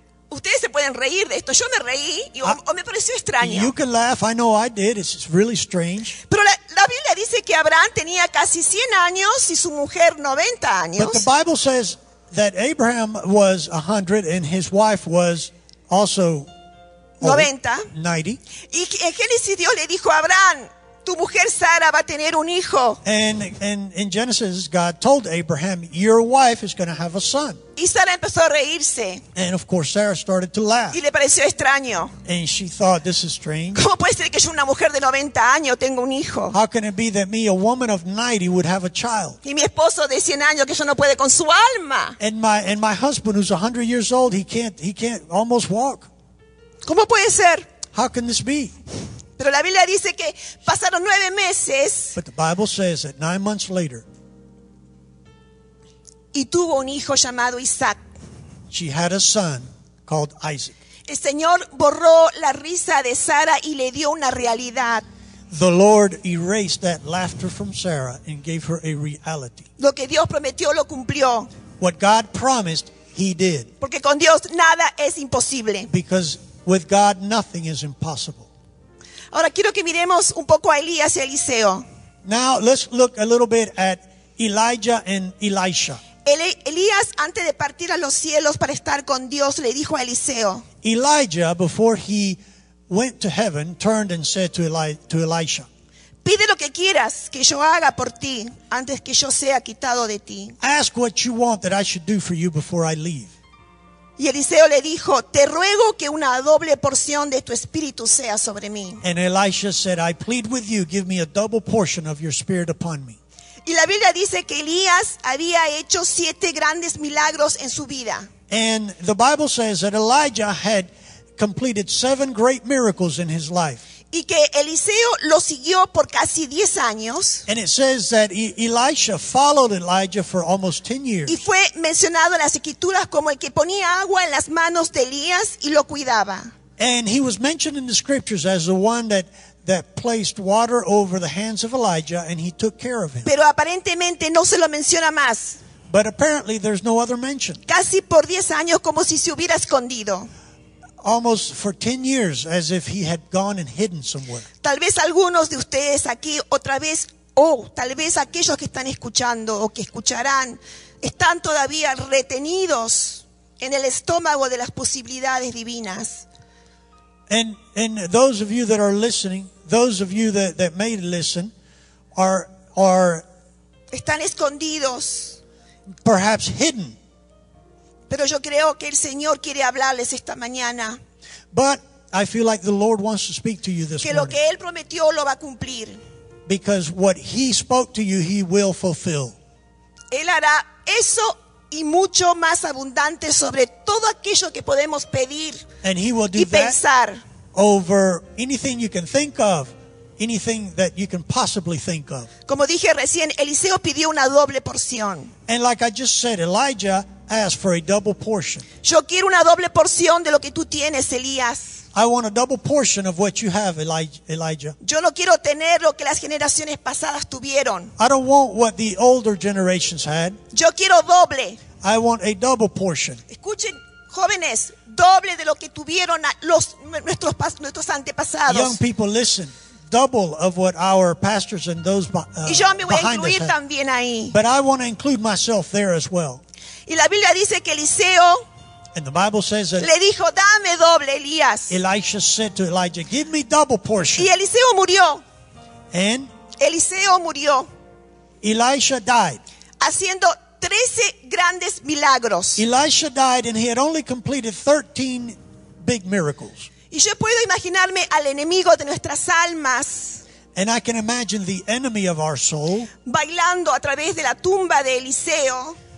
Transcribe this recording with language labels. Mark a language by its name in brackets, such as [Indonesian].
[Spanish] Ustedes se pueden reír de esto. Yo me reí y o me pareció extraño. [English] You can laugh. I know I did. It's really strange. [Spanish] Pero la Biblia dice que Abraham tenía casi 100 años y su mujer 90 años. [English] But the Bible says that Abraham was 100 and his wife was also [Spanish] 90. [English] Old, 90. [Spanish] Y en Génesis Dios le dijo a Abraham, tu mujer Sara va a tener un hijo. [English] And in Genesis God told Abraham, your wife is going to have a son. [Spanish] Y Sara empezó a reírse. [English] And of course Sarah started to laugh. [Spanish] Y le pareció extraño. [English] And she thought, this is strange. [Spanish] ¿Cómo puede ser que yo, una mujer de 90 años, tenga un hijo? [English] How can it be that me, a woman of 90, would have a child? [Spanish] Y mi esposo de 100 años, que yo no puede con su alma. [English] And my husband, who's 100 years old, he can't almost walk. [Spanish] ¿Cómo puede ser? [English] How can this be? [Spanish] Pero la Biblia dice que pasaron 9 meses. [English] But the Bible says that 9 months later. [Spanish] Y tuvo un hijo llamado Isaac. [English] She had a son called Isaac. [Spanish] El Señor borró la risa de Sara y le dio una realidad. [English] The Lord erased that laughter from Sarah and gave her a reality. [Spanish] Lo que Dios prometió lo cumplió. [English] What God promised, he did. [Spanish] Porque con Dios nada es imposible. [English] Because with God nothing is impossible. [Spanish] Ahora quiero que miremos un poco a Elías y Eliseo. [English] Now let's look a little bit at Elijah and Elisha. [Spanish] Elías, antes de partir a los cielos para estar con Dios, le dijo a Eliseo. [English] Elijah, before he went to heaven, turned and said to Elisha. [Spanish] Pide lo que quieras que yo haga por ti antes que yo sea quitado de ti. [English] Ask what you want that I should do for you before I leave. [Spanish] Y Eliseo le dijo, te ruego que una doble porción de tu espíritu sea sobre mí. [English] And Elisha said, I plead with you, give me a double portion of your spirit upon me. [Spanish] Y la Biblia dice que Elías había hecho 7 grandes milagros en su vida. [English] And the Bible says that Elijah had completed 7 great miracles in his life. [Spanish] Y que Eliseo lo siguió por casi 10 años. [English] And it says that Elisha followed Elijah for almost 10 years. [Spanish] Y fue mencionado en las Escrituras como el que ponía agua en las manos de Elías y lo cuidaba. [English] And he was mentioned in the Scriptures as the one that placed water over the hands of Elijah and he took care of him. [Spanish] Pero aparentemente no se lo menciona más. [English] But apparently there's no other mention. [Spanish] Casi por 10 años como si se hubiera escondido. [English] Almost for 10 years as if he had gone and hidden somewhere. [Spanish] Tal vez algunos de ustedes aquí otra vez tal vez aquellos que están escuchando o que escucharán están todavía retenidos en el estómago de las posibilidades divinas. [English] And those of you that are listening, those of you that may listen, are [Spanish] están escondidos, [English] perhaps hidden. [Spanish] Pero yo creo que el Señor quiere hablarles esta mañana. [English] But I feel like the Lord wants to speak to you this morning. [Spanish] Que lo que él prometió lo va a cumplir. [English] Because what he spoke to you, he will fulfill. [Spanish] Él hará eso y mucho más abundante sobre todo aquello que podemos pedir y pensar. [English] And he will do that over anything you can think of anything that you can possibly think of. [Spanish] Como dije recién, Eliseo pidió una doble porción. [English] And like I just said, Elijah asked for a double portion. [Spanish] Yo quiero una doble porción de lo que tú tienes, Elías. [English] I want a double portion of what you have, Elijah. [Spanish] Yo no quiero tener lo que las generaciones pasadas tuvieron. [English] I don't want what the older generations had. [Spanish] Yo quiero doble. [English] I want a double portion. [Spanish] Escuchen, jóvenes, doble de lo que tuvieron los nuestros antepasados. [English] Young people, listen. Double of what our pastors and those behind us have. But I want to include myself there as well. [Spanish] Y la Biblia dice que Eliseo, [English] and the Bible says that, [Spanish] le dijo, dame doble, Elías. [English] Elisha said to Elijah, give me double portion. [Spanish] Y Eliseo murió. [English] And [Spanish] Eliseo murió. [English] Elisha died. [Spanish] Haciendo 13 grandes milagros. [English] Elisha died and he had only completed 13 big miracles. [Spanish] Y yo puedo imaginarme al enemigo de nuestras almas. [English] And I can imagine the enemy of our soul. [Spanish] Bailando a través de la tumba de Eliseo.